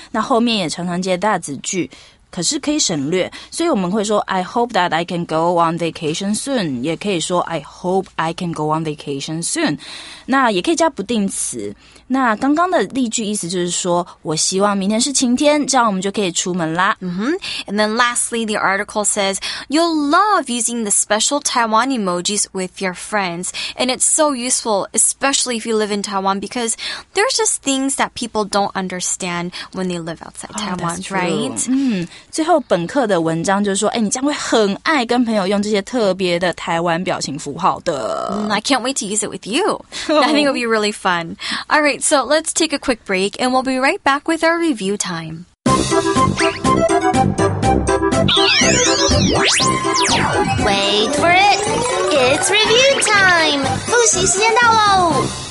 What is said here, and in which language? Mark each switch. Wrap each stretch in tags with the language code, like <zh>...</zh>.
<zh>那后面也常常接大子句，可是可以省略，所以我们会说</zh> <en>I hope that I can go on vacation soon，</en> <zh>也可以说</zh> <en>I hope I can go on vacation soon，</en> <zh>那也可以加不定词。那刚刚的例句意思就是说我希望明天是晴天，这样我们就可以出门啦。</zh> <en>And then lastly, the article says, you'll love using the special Taiwan emojis with your friends. And it's so useful, especially if you live in Taiwan, because there's just things that people don't understand when they live outside Taiwan, right?</en> <zh>最后本课的文章就是说，哎，你将会很爱跟朋友用这些特别的台湾表情符号的。</zh> <en>I can't wait to use it with you. I think it'll be really fun. Alright, so let's take a quick break and we'll be right back with our review time. Wait for it! It's review time!</en> <zh>复习时间到喽！</zh>